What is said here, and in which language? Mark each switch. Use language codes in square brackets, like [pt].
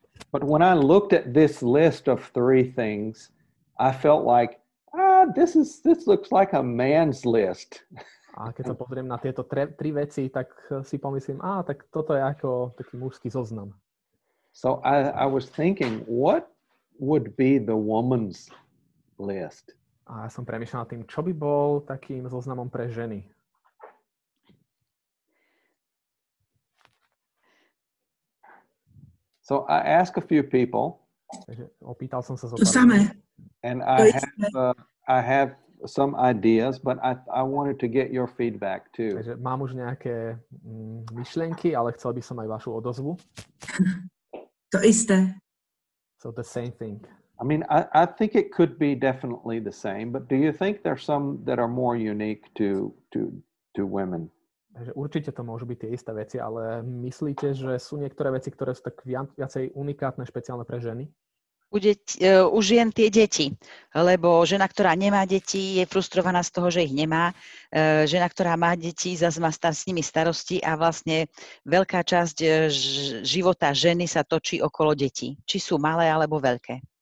[en] But when I looked at this list of three things, I felt like, this looks like a man's list. [sk] A keď sa pozriem na tieto tri veci, tak si pomyslím, tak toto je ako taký mužský zoznam. [en] So I was thinking, what would be the woman's list? [sk] A ja som premýšľal tým, čo by bol takým zoznamom pre ženy. [en] So I ask a few people. [sk] Takže opýtal som sa zopár. To samé. [en] And I have some ideas, but I wanted to get your feedback too. [sk] Takže mám už nejaké myšlienky, ale chcel by som aj vašu odozvu. To isté. [en] So the same thing. I mean, I think it could be definitely the same, but do you think there's some that are more unique to women? [sk] Takže určite to môžu byť tie isté veci, ale myslíte, že sú niektoré veci, ktoré sú tak viacej unikátne, špeciálne pre ženy? Už jen tie deti, lebo žena, ktorá nemá deti, je frustrovaná z toho, že ich nemá. Žena, ktorá má deti, zase má s nimi starosti a vlastne veľká časť života ženy sa točí okolo detí, či sú malé alebo veľké.